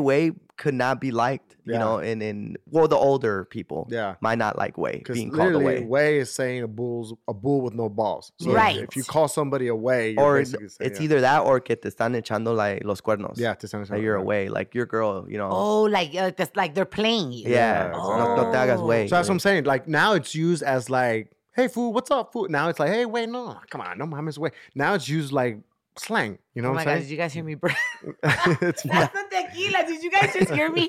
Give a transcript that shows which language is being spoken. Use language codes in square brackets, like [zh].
[en] Wey could not be liked, you know, in well, the older people might not like wey being called a wey. Wey is saying a bull with no balls. So if you call somebody a wey, you're basically saying, it's either that or [es] que te están echando like los cuernos. Yeah, te están echando. [en] You're a wey, like your girl, you know. Oh, like they're playing you. [es] Yeah. No te hagas wey. [en] So that's what I'm saying. Like now it's used as like, hey, fool, what's up, fool? Now it's like, hey, wait, no, come on, [es] no mames, [en] wait. Now it's used like slang, you know what I'm saying? Oh my God, did you guys hear me breathe? That's the tequila. Did you guys just hear me?